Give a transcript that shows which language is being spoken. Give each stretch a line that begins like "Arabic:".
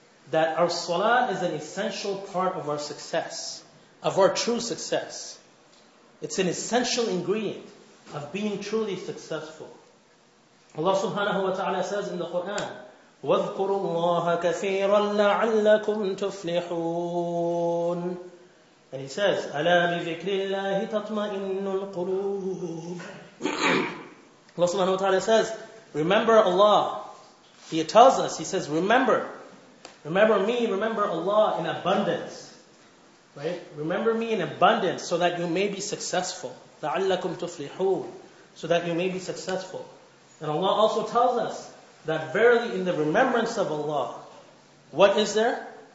English: That our salah is an essential part of our success, of our true success. It's an essential ingredient of being truly successful. Allah subhanahu wa ta'ala says in the Quran,
Arabic: وَاذْكُرُوا اللَّهَ كَثِيرًا لَعَلَّكُمْ تُفْلِحُونَ.
English: And he says,
Arabic: أَلَا بِذِكْرِ اللَّهِ تَطْمَئِنُّ الْقُلُوبِ.
English: Allah subhanahu wa ta'ala says, remember Allah. He tells us, he says, remember. Remember me, remember Allah in abundance. Right? Remember me in abundance so that you may be successful.
Arabic: لَعَلَّكُمْ تُفْلِحُونَ.
English: So that you may be successful. And Allah also tells us that verily in the remembrance of Allah, what is there?